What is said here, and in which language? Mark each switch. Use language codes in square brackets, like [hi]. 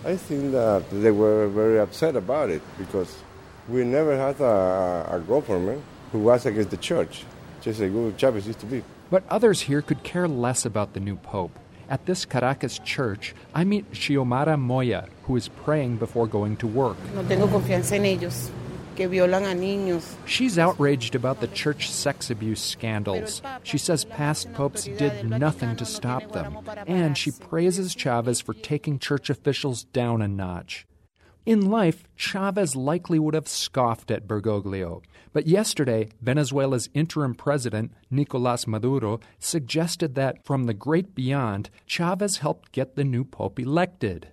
[en] I think that they were very upset about it because we never had a government who was against the church. Just like Chavez used to be. But others here could care less about the new pope. At this Caracas church, I meet Xiomara Moya, who is praying before going to work. [es] No tengo confianza en ellos, que violan a niños. [en] She's outraged about the church sex abuse scandals. She says past popes did nothing to stop them, and she praises Chavez for taking church officials down a notch. In life, Chavez likely would have scoffed at Bergoglio. But yesterday, Venezuela's interim president, Nicolas Maduro, suggested that from the great beyond, Chavez helped get the new pope elected.